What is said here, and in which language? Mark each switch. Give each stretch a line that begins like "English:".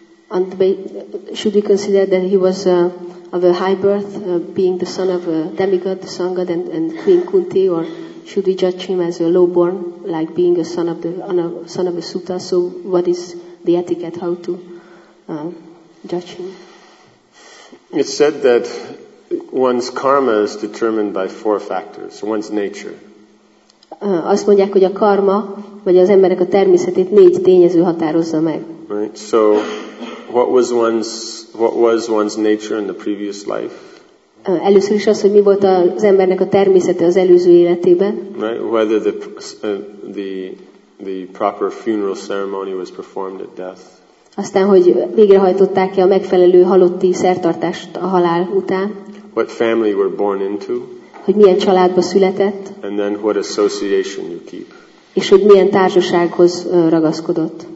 English: And should we consider that he was of a high birth, being the son of a demigod, the sun god, and Queen Kunti, or should we judge him as a low-born, like being a son of a Suta? So what is the etiquette? How to judge him? It's said that one's karma is determined by four factors: one's nature.
Hungarian: Azt mondják, hogy a karma, vagy az emberek a természetét négy tényező határozza meg.
English: Right. So, what was one's nature in the previous life?
Hungarian: Először is az, hogy mi volt az embernek a természete az előző életében.
English: Right. Whether the proper funeral ceremony was performed at death.
Hungarian: Aztán, hogy végrehajtották-e a megfelelő halotti szertartást a halál után.
English: What family were born into?
Hungarian: Hogy milyen családba született,
English: and then what association you keep.
Hungarian: És hogy milyen társasághoz ragaszkodott.